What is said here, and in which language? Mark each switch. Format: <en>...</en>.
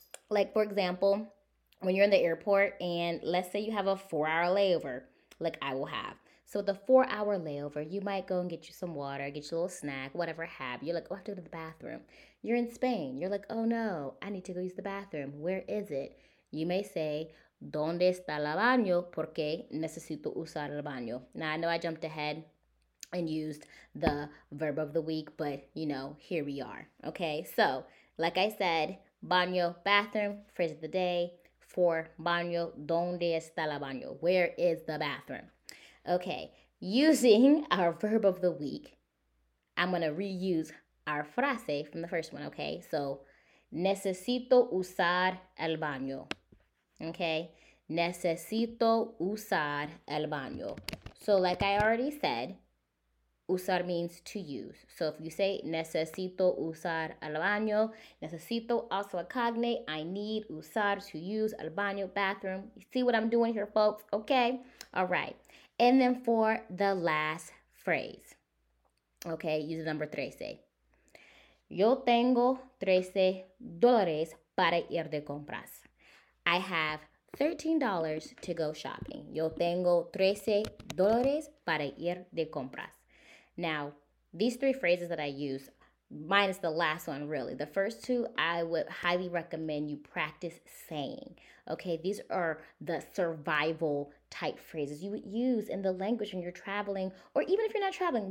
<en>Like, for example, when you're in the airport and let's say you have a four-hour layover, like I will have. So with a four-hour layover, you might go and get you some water, get you a little snack, whatever have. You're like, oh, I have to go to the bathroom. You're in Spain. You're like, oh, no, I need to go use the bathroom. Where is it? You may say,</en> <es>¿dónde está el baño? Porque necesito usar el baño.</es> <en>Now, I know I jumped ahead and used the verb of the week, but, you know, here we are. Okay, so like I said, baño, bathroom, phrase of the day. For</en> <es>baño, ¿dónde está el baño?</es> <en>Where is the bathroom? Okay, using our verb of the week, I'm going to reuse our frase from the first one, okay?</en> <es>So, necesito usar el baño, okay? Necesito usar el baño.</es> <en>So, like I already said, usar means to use. So, if you say</en> <es>necesito usar el baño,</es> <en>necesito also a cognate, I need usar to use el baño, bathroom. You see what I'm doing here, folks? Okay, all right. And then for the last phrase, okay, use the number 13.</en> <es>Yo tengo 13 dólares para ir de compras.</es> <en>I have $13 to go shopping.</en> <es>Yo tengo 13 dólares para ir de compras.</es> <en>Now, these three phrases that I use, minus the last one, really. The first two, I would highly recommend you practice saying. okay, these are the survival type phrases you would use in the language when you're traveling, or even if you're not traveling.</en>